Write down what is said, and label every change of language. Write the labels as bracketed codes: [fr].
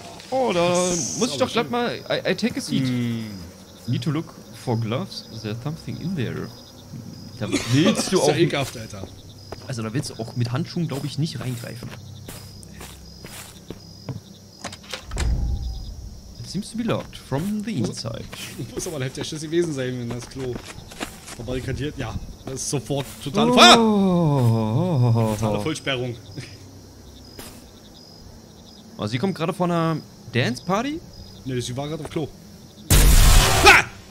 [de] Oh, da muss ich doch gleich mal. [en] I take a seat. Need to look for gloves. There's something in there. [de] Da willst du auch. Das ist ja ekelhaft, Alter. Also, da willst du auch mit Handschuhen, glaube ich, nicht reingreifen. [en] It seems to be locked from the inside. [de] Muss aber ein heftiger Schiss gewesen sein, wenn das Klo verbarrikadiert. Ja, das ist sofort total. Oh. Feuer! Totale Vollsperrung. Oh, sie kommt gerade von einer Dance-Party? Ne, sie war gerade auf Klo. Ha!